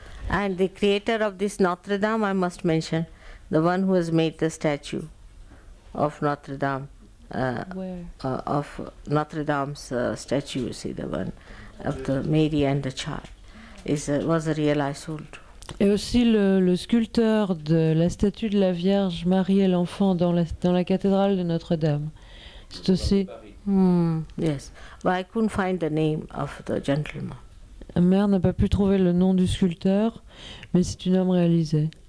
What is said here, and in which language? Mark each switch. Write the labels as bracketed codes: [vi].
[en] And the creator of this Notre Dame, I must mention, the one who has made the statue of Notre Dame. Of Notre Dame's statue, you see, the one of the Mary and the child. was a real eyesore. [fr] Et aussi le sculpteur de la statue de la Vierge Marie et l'enfant dans la cathédrale de Notre-Dame. C'est aussi. [en] Yes, but I couldn't find the name of the gentleman. [fr] La mère n'a pas pu trouver le nom du sculpteur, mais c'est un homme réalisé.